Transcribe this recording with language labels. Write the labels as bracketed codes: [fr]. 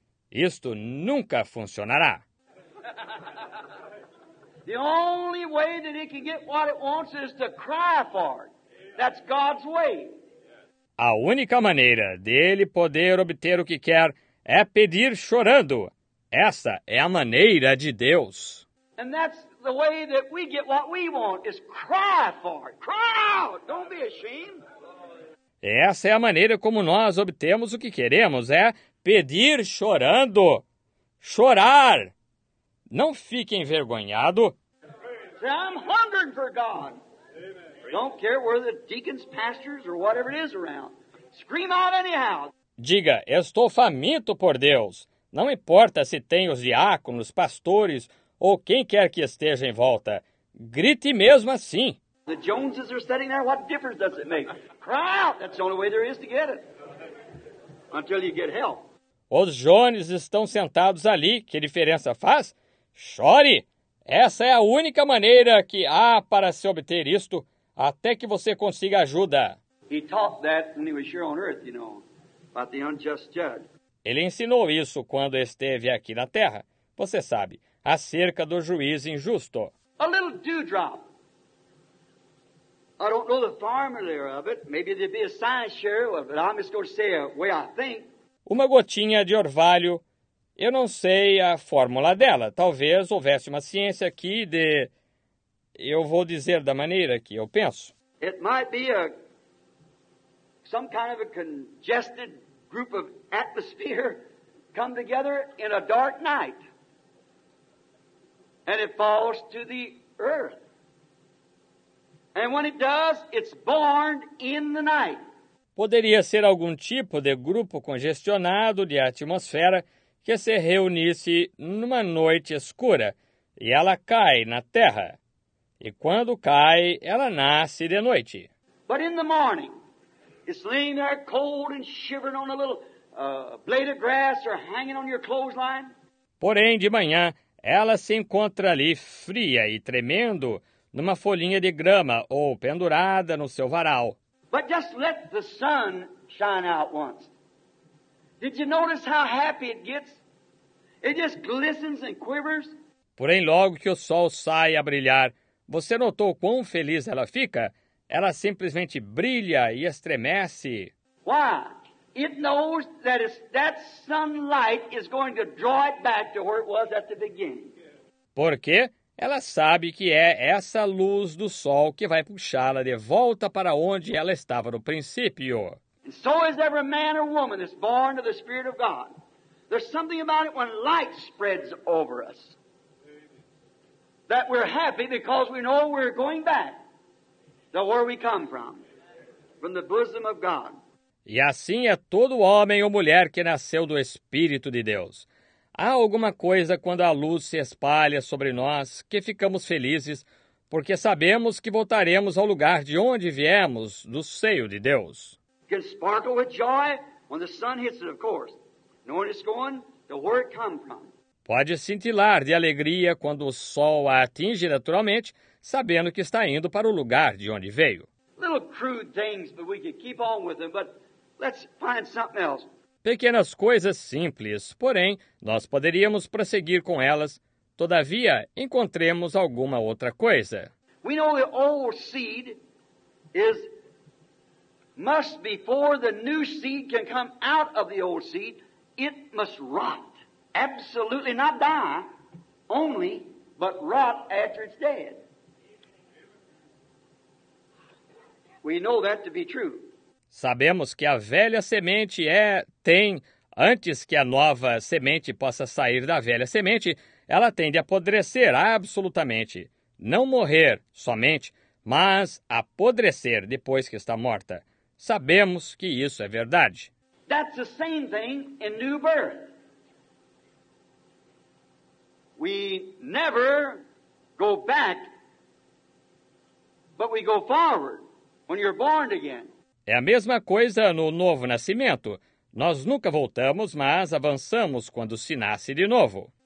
[pt] Isto nunca funcionará. [en] The only way that it can get what it wants is to cry for it. That's God's way. [pt] A única maneira dele poder obter o que quer é pedir chorando. Essa é a maneira de Deus. [en] And that's the way that we get what we want, is cry for it. Cry out! Don't be ashamed. [pt] Essa é a maneira como nós obtemos o que queremos, é pedir chorando. Chorar! Não fique envergonhado. [en] Say, I'm hungering for God. Don't care where the deacons, pastors, or whatever it is around. Scream out anyhow. [pt] Diga, estou faminto por Deus. Não importa se tem os diáconos, pastores, ou quem quer que esteja em volta. Grite mesmo assim. [en] The Joneses are sitting there. What difference does it make? Cry out. That's the only way there is to get it. Until you get help. [pt] Os Jones estão sentados ali. Que diferença faz? Chore. Essa é a única maneira que há para se obter isto. Até que você consiga ajuda. [en] He taught that when he was here on earth, you know, about the unjust judge. [pt] Ele ensinou isso quando esteve aqui na terra. Você sabe, acerca do juiz injusto. [en] A little dewdrop. I don't know the formula of it. Maybe there'd be a science share, but I'm just going to say the way I think. [pt] Uma gotinha de orvalho. Eu não sei a fórmula dela. Talvez houvesse uma ciência aqui de... Eu vou dizer da maneira que eu penso. [en] It might be a some kind of a congested group of atmosphere come together in a dark night. And it falls to the earth. And when it does, it's born in the night. [pt] Poderia ser algum tipo de grupo congestionado de atmosfera que se reunisse numa noite escura e ela cai na terra. E quando cai, ela nasce de noite. [en] But in the morning, it's laying there cold and shivering on a little blade of grass or hanging on your clothesline. [pt] Porém, de manhã, ela se encontra ali fria e tremendo numa folhinha de grama ou pendurada no seu varal. [en] But just let the sun shine out once. Did you notice how happy it gets? It just glistens and quivers. [pt] Porém, logo que o sol sai a brilhar, você notou quão feliz ela fica? Ela simplesmente brilha e estremece. [en] Why? It knows that it's, that sunlight is going to draw it back to where it was at the beginning. [pt] Por quê? Ela sabe que é essa luz do sol que vai puxá-la de volta para onde ela estava no princípio. [en] And so is every man or woman that's born of the Spirit of God. There's something about it when light spreads over us. That we're happy because we know we're going back to where we come from. from the bosom of God. [pt] E assim é todo homem ou mulher que nasceu do Espírito de Deus. Há alguma coisa quando a luz se espalha sobre nós que ficamos felizes, porque sabemos que voltaremos ao lugar de onde viemos, do seio de Deus. [en] Can sparkle with joy when the sun hits it, of course. Knowing it's going to where it come from. [pt] Pode cintilar de alegria quando o sol a atinge naturalmente, sabendo que está indo para o lugar de onde veio. [en] Little crude things, but we can keep on with them, but let's find something else. [pt] Pequenas coisas simples, porém, nós poderíamos prosseguir com elas. Todavia, encontremos alguma outra coisa. [en] We know the old seed is must before the new seed can come out of the old seed, it must rot. Absolutely not die only, but rot after it's dead. We know that to be true. [pt] Sabemos que a velha semente tem, antes que a nova semente possa sair da velha semente, ela tem de apodrecer absolutamente. Não morrer somente, mas apodrecer depois que está morta. Sabemos que isso é verdade. [en] That's the same thing in new birth. We never go back, but we go forward when you're born again. [pt] É a mesma coisa no novo nascimento. Nós nunca voltamos, mas avançamos quando se nasce de novo.